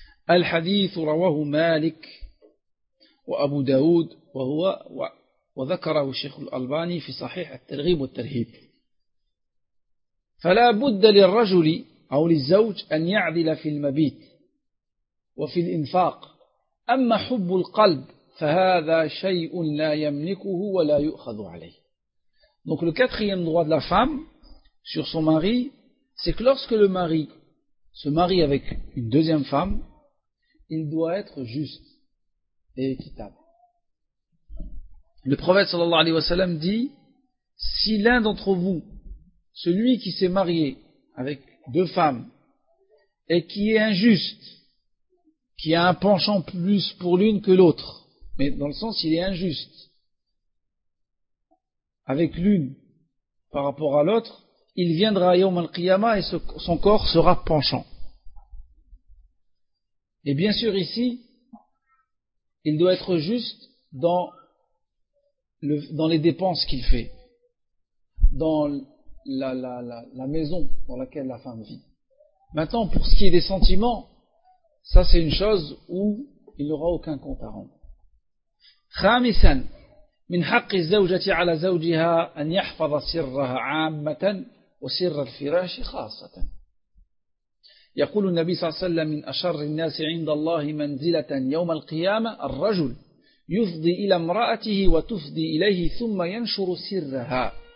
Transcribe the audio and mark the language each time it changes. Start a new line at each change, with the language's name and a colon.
Arabic: الحديث رواه مالك وأبو داود وهو وذكره الشيخ الألباني في صحيح الترغيب والترهيب. فلا بد للرجل أو للزوج أن يعدل في المبيت وفي الإنفاق. أما حب القلب فهذا شيء لا يملكه ولا يؤخذ عليه.
French: Donc le quatrième droit de la femme sur son mari, c'est que lorsque le mari se marie avec une deuxième femme, il doit être juste et équitable. Le prophète sallallahu alayhi wa sallam dit, si l'un d'entre vous, celui qui s'est marié avec deux femmes et qui est injuste, qui a un penchant plus pour l'une que l'autre, mais dans le sens il est injuste avec l'une par rapport à l'autre, il viendra à Yawm al-Qiyama et son corps sera penchant. Et bien sûr ici, il doit être juste dans les dépenses qu'il fait, dans la maison dans laquelle la femme vit. Maintenant, pour ce qui est des sentiments, ça c'est une chose où il n'aura aucun compte à rendre.
Arabic: خامسا من حق الزوجة على زوجها أن يحفظ سرها عامة وسر الفراش خاصة. يقول النبي صلى الله عليه وسلم من أشر الناس عند الله منزلة يوم القيامة الرجل يفضي إلى امرأته وتفضي إليه ثم ينشر سرها.